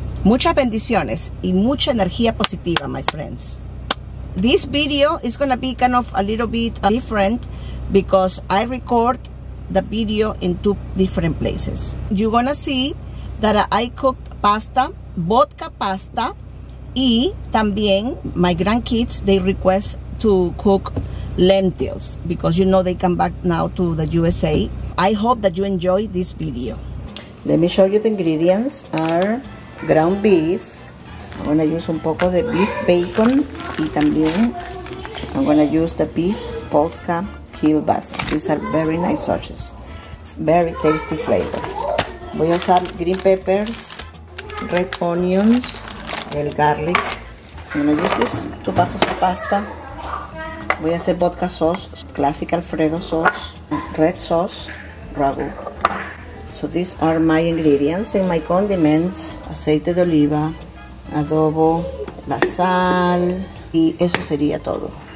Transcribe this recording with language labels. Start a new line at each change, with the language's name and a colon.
Spanish: Muchas bendiciones y mucha energía positiva,
English: my friends. This video is going to be kind of a little bit different because I record the video in two different places. You're going to see that I cooked pasta, vodka pasta,
Spanish: y también
English: my grandkids, they request to cook lentils because you know they come back now to the USA. I hope that you enjoy this video. Let me show you the ingredients are ground beef. I'm gonna use
Spanish: un poco de
English: beef bacon
Spanish: y también
English: I'm gonna use the beef polska kielbasa. These are very nice sausages. Very tasty flavor.
Spanish: Voy a usar
English: green peppers, red onions,
Spanish: el garlic.
English: I'm gonna use this two pasos of pasta.
Spanish: Voy a hacer
English: vodka sauce, classic Alfredo sauce, red sauce. Ragu. So these are my ingredients and my condiments.
Spanish: Aceite de oliva, adobo, la sal, y eso sería todo.